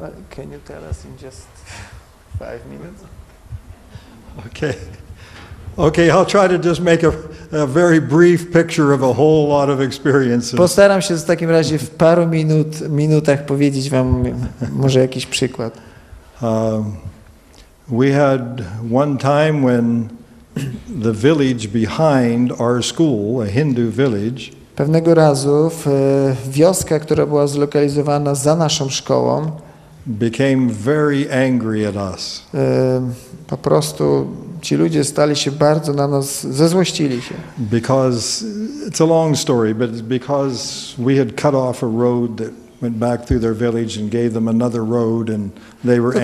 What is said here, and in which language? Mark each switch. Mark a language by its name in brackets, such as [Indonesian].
[English] Can you tell us in just 5 minutes? Okay, I'll try to just make a very brief picture of a whole lot of experiences. [Polish] Postaram się w takim razie w paru minutach powiedzieć wam może jakiś przykład. [English] We had one time when the village behind our school, a Hindu village. [Polish] Pewnego razu wioska, która była zlokalizowana za naszą szkołą, [English] became very angry at us. [Polish] Po prostu ci ludzie stali się bardzo na nas, zezłościli się. [English] Because it's a long story, but it's because we had cut off a road that went back through their village and gave them another road and they were angry.